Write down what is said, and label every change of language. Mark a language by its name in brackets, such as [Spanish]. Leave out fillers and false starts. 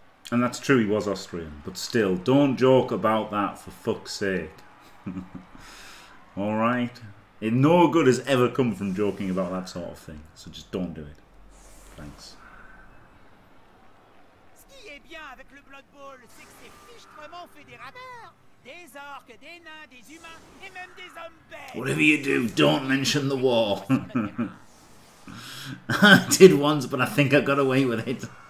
[English] And that's true, he was Austrian. But still, don't joke about that for fuck's sake. Alright? No good has ever come from joking about that sort of thing. So just don't do it. Thanks. [French] Avec le Blood Bowl, c'est que c'est fichtrement fédérateur. Des orques, des nains, des humains, et même des hommes bêtes. [English] Whatever you do, don't mention the war. I did once, but I think I got away with it.